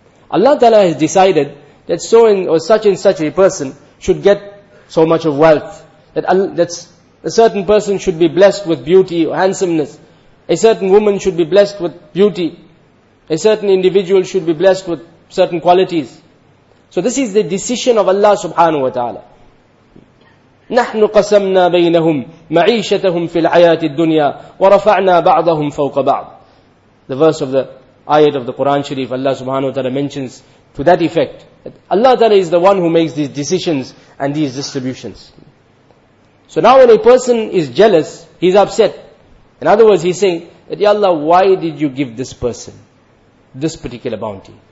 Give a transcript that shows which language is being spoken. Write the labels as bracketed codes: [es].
[en] Allah ta'ala has decided that so in, or such and such a person should get so much of wealth. That a certain person should be blessed with beauty or handsomeness. A certain woman should be blessed with beauty. A certain individual should be blessed with certain qualities. So this is the decision of Allah subhanahu wa ta'ala. [ar] نحن قسمنا بينهم معيشتهم في الحياة الدنيا ورفعنا بعضهم فوق بعض. [en] The verse of the ayat of the Quran Sharif, Allah subhanahu wa ta'ala mentions to that effect. That Allah ta'ala is the one who makes these decisions and these distributions. So now when a person is jealous, he's upset. In other words, he's saying, that, Ya Allah, why did you give this person this particular bounty?